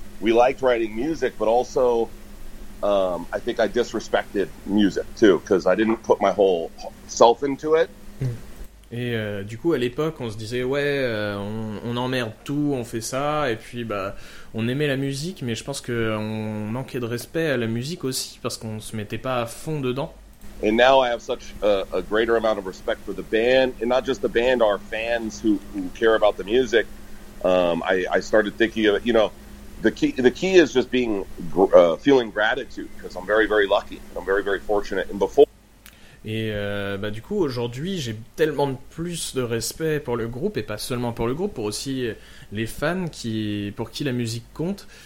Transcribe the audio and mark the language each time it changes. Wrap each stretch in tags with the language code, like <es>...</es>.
<en>We liked writing music, but also I think I disrespected music too because I didn't put my whole self into it.</en> <fr>Et du coup, à l'époque, on se disait, ouais, on emmerde tout, on fait ça, et puis on aimait la musique, mais je pense qu'on manquait de respect à la musique aussi, parce qu'on se mettait pas à fond dedans.</fr> <en>And now I have such a greater amount of respect for the band, and not just the band, our fans who care about the music. I started thinking of, you know, the key is just being feeling gratitude, because I'm very, very lucky, I'm very, very fortunate, and before...</en> <fr>Et bah du coup aujourd'hui j'ai tellement de plus de respect pour le groupe, et pas seulement pour le groupe, pour aussi les fans qui, pour qui la musique compte.</fr>